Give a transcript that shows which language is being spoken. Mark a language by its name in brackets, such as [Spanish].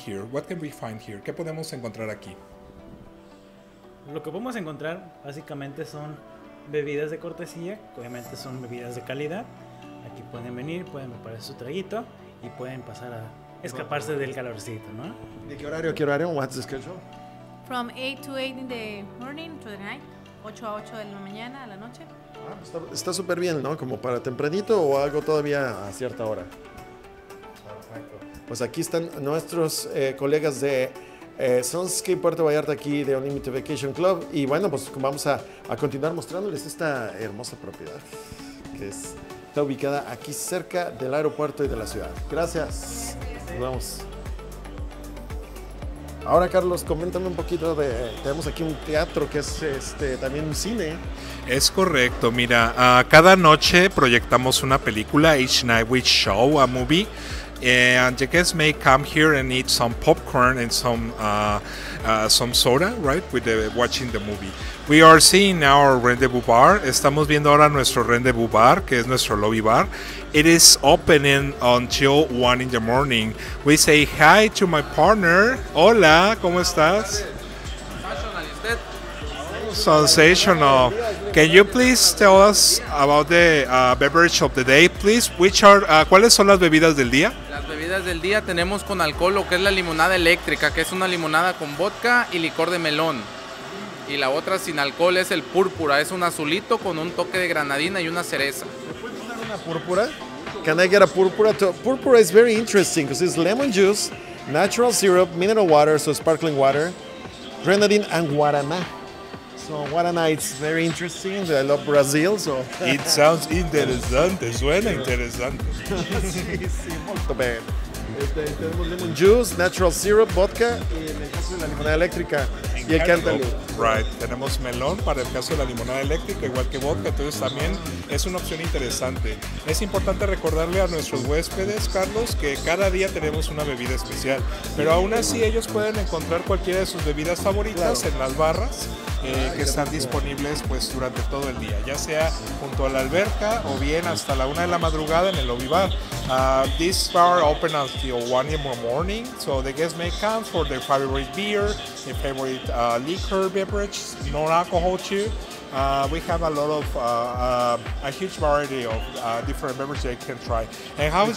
[English] What can we find here? [Spanish] ¿Qué podemos encontrar aquí? Lo que podemos encontrar básicamente son bebidas de cortesía, obviamente son bebidas de calidad. Aquí pueden venir, pueden preparar su traguito y pueden pasar a escaparse del calorcito, ¿no? ¿De qué horario? ¿Qué horario? [English] What's the schedule? From 8 to 8 in the morning to the night. [Spanish] 8 a 8 de la mañana a la noche. Ah, está súper bien, ¿no? Como para tempranito o algo todavía a cierta hora. Perfecto. Pues aquí están nuestros colegas de Sunscape Puerto Vallarta aquí de Unlimited Vacation Club. Y bueno, pues vamos a continuar mostrándoles esta hermosa propiedad que es... está ubicada aquí cerca del aeropuerto y de la ciudad. Gracias. Nos vemos. Ahora, Carlos, coméntame un poquito de... tenemos aquí un teatro que es también un cine. Es correcto. Mira, cada noche proyectamos una película, [English] Each Night We Show a Movie. And the guests may come here and eat some popcorn and some soda, right? With the, watching the movie. We are seeing now our rendezvous bar. [Spanish] Estamos viendo ahora nuestro rendezvous bar, que es nuestro lobby bar. [English] It is opening until 1 in the morning. We say hi to my partner. [Spanish] Hola, ¿cómo estás? Sensational, ¿y usted? [English] Sensational. Can you please tell us about the beverage of the day, please? Which are, [Spanish] ¿cuáles son las bebidas del día? Las bebidas del día tenemos con alcohol, lo que es la limonada eléctrica, que es una limonada con vodka y licor de melón. y la otra sin alcohol es el púrpura, es un azulito con un toque de granadina y una cereza. ¿Me puedes dar una púrpura? [English] Can I get a púrpura? Púrpura is very interesting because it's lemon juice, natural syrup, mineral water, so sparkling water, grenadine and guaraná. So guaraná is very interesting. I love Brazil, so. It sounds interesante. [Spanish] Suena interesante. Sí, [Italian] molto bene. [Spanish] Tenemos [English] lemon juice, natural syrup, [Spanish] vodka y en el caso de la limonada eléctrica y el cantaloupe. Right, tenemos melón para el caso de la limonada eléctrica, igual que vodka, entonces también es una opción interesante. Es importante recordarle a nuestros huéspedes, Carlos, que cada día tenemos una bebida especial, pero aún así ellos pueden encontrar cualquiera de sus bebidas favoritas, claro, en las barras. Que están disponibles pues durante todo el día, ya sea junto a la alberca o bien hasta la una de la madrugada en el lobby bar. [English] This bar open until 1 in the morning, so the guests may come for their favorite beer, their favorite liquor beverage, non-alcohol too. We have a lot of a huge variety of different beverages they can try. And how is